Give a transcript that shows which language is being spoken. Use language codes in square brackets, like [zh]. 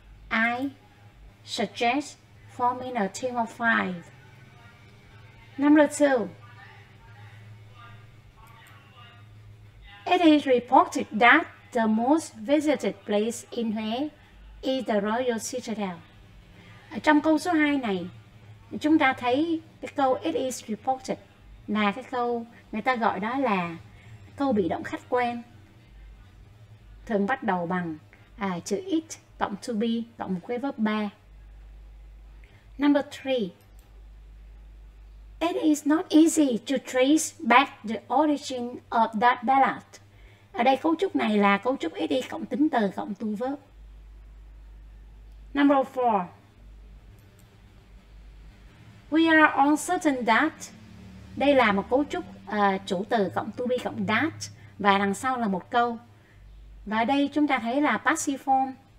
[en] I suggest forming a team of 5. Number 2. It is reported that the most visited place in Huế is the Royal Citadel. [vi] Ở trong câu số 2 này, chúng ta thấy cái câu [en] it is reported [vi] là cái câu người ta gọi đó là câu bị động khách quen. Thường bắt đầu bằng chữ it cộng to be cộng một cái verb 3. [en] Number 3. It is not easy to trace back the origin of that ballad. [vi] Ở đây cấu trúc này là cấu trúc SD cộng tính từ cộng to verb. [en] Number 4. We are uncertain that. [vi] Đây là một cấu trúc chủ từ cộng to be cộng that. Và đằng sau là một câu. Và đây chúng ta thấy là [en] passive form.